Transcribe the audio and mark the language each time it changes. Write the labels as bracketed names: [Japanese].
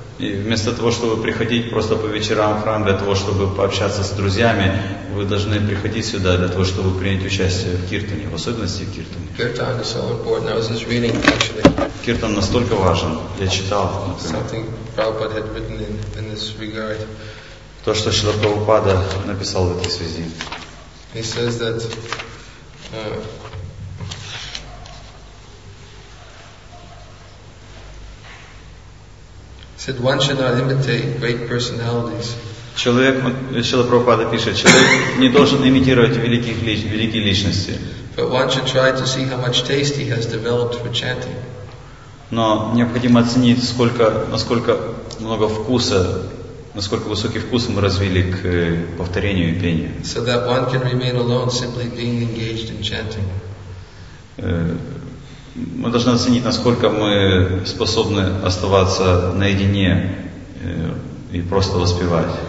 [Russian] И вместо того, чтобы приходить просто по вечерам в храм для того, чтобы пообщаться с друзьями, вы должны приходить сюда для того, чтобы принять участие в киртане, в особенности в киртане. [English] Kirtan is so important. I was just reading actually. [Russian] Киртан настолько важен. Я читал. [English] Something Prabhupada had written in this regard. [Russian] То, что Шрила Прабхупада написал в этой связи. [English] He says that said one should not imitate great personalities. [Russian] Человек, Шрила Прабхупада пишет, человек не должен имитировать великих великие личности. [English] But one should try to see how much taste he has developed for chanting. [Russian] Но необходимо оценить, сколько, насколько много вкуса, насколько высокий вкус мы развили к повторению и пению. [English] So that one can remain alone simply being engaged in chanting. [Russian] Мы должны оценить, насколько мы способны оставаться наедине и просто воспевать.